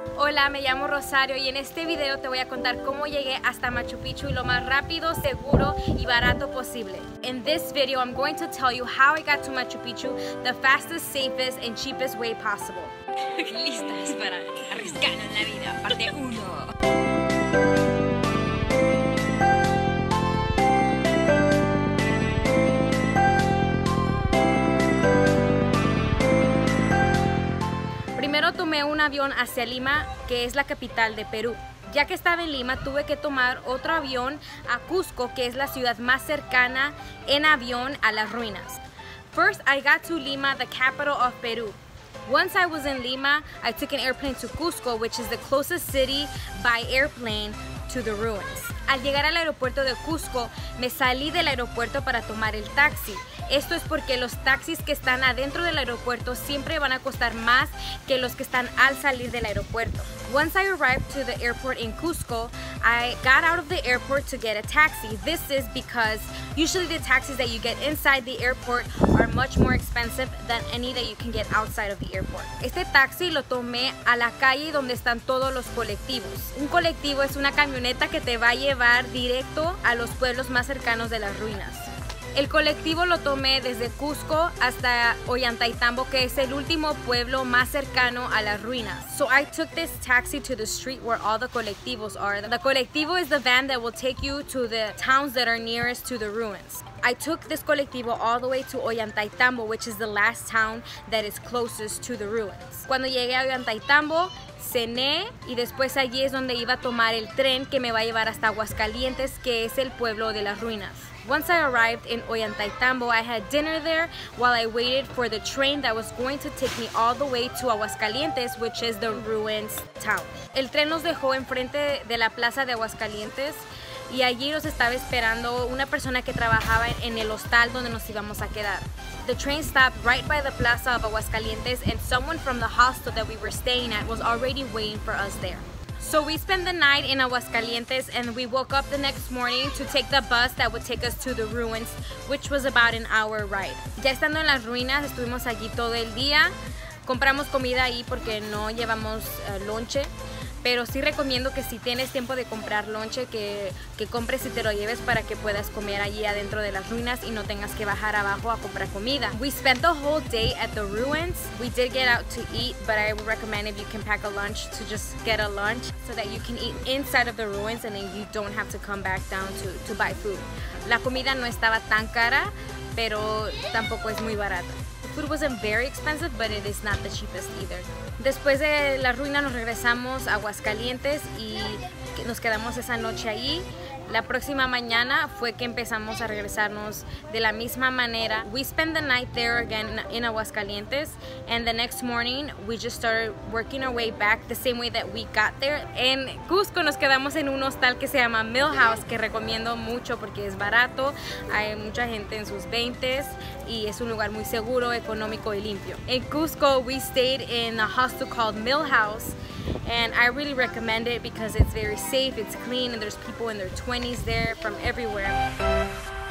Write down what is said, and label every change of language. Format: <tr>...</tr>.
<es>Hola, me llamo Rosario y en este video te voy a contar cómo llegué hasta Machu Picchu y lo más rápido, seguro y barato posible.</es> <en>In this video, I'm going to tell you how I got to Machu Picchu the fastest, safest, and cheapest way possible.</en> <es>¿Listas para arriesgar en la vida? Parte 1. Primero tomé un avión hacia Lima, que es la capital de Perú. Ya que estaba en Lima, tuve que tomar otro avión a Cusco, que es la ciudad más cercana en avión a las ruinas.</es> <en>First, I got to Lima, the capital of Peru. Once I was in Lima, I took an airplane to Cusco, which is the closest city by airplane to the ruins.</en> <es>Al llegar al aeropuerto de Cusco, me salí del aeropuerto para tomar el taxi. Esto es porque los taxis que están adentro del aeropuerto siempre van a costar más que los que están al salir del aeropuerto.</es> <en>Once I arrived to the airport in Cusco, I got out of the airport to get a taxi. This is because usually the taxis that you get inside the airport are much more expensive than any that you can get outside of the airport.</en> <es>Este taxi lo tomé a la calle donde están todos los colectivos. Un colectivo es una camioneta que te va a llevar directo a los pueblos más cercanos de las ruinas. El colectivo lo tomé desde Cusco hasta Ollantaytambo, que es el último pueblo más cercano a las ruinas.</es> <en>So I took this taxi to the street where all the colectivos are. The colectivo is the van that will take you to the towns that are nearest to the ruins. I took this colectivo all the way to Ollantaytambo, which is the last town that is closest to the ruins.</en> <es>Cuando llegué a Ollantaytambo, cené y después allí es donde iba a tomar el tren que me va a llevar hasta Aguascalientes, que es el pueblo de las ruinas.</es> <en>Once I arrived in Ollantaytambo, I had dinner there while I waited for the train that was going to take me all the way to Aguascalientes, which is the ruins town.</en> <es>El tren nos dejó enfrente de la plaza de Aguascalientes y allí nos estaba esperando una persona que trabajaba en el hostal donde nos íbamos a quedar.</es> <en>The train stopped right by the plaza of Aguascalientes and someone from the hostel that we were staying at was already waiting for us there. So we spent the night in Aguascalientes and we woke up the next morning to take the bus that would take us to the ruins, which was about an hour ride.</en> <es>Ya estando en las ruinas, estuvimos allí todo el día. Compramos comida ahí porque no llevamos lonche. Pero sí recomiendo que si tienes tiempo de comprar lonche, que compres y te lo lleves para que puedas comer allí adentro de las ruinas y no tengas que bajar abajo a comprar comida.</es> <en>We spent the whole day at the ruins. We did get out to eat, but I would recommend if you can pack a lunch to just get a lunch so that you can eat inside of the ruins and then you don't have to come back down to buy food.</en> <es>La comida no estaba tan cara, pero tampoco es muy barata.</es> <en>Food wasn't very expensive, but it is not the cheapest either.</en> <es>Después de la ruina nos regresamos a Aguascalientes y nos quedamos esa noche ahí. La próxima mañana fue que empezamos a regresarnos de la misma manera.</es> <en>We spent the night there again in Aguascalientes and the next morning we just started working our way back the same way that we got there.</en> <es>En Cusco nos quedamos en un hostal que se llama Mill House, que recomiendo mucho porque es barato, hay mucha gente en sus 20s y es un lugar muy seguro, económico y limpio. En Cusco</es> <en>we stayed in a hostel called Mill House. And I really recommend it because it's very safe, it's clean, and there's people in their 20s there from everywhere.</en>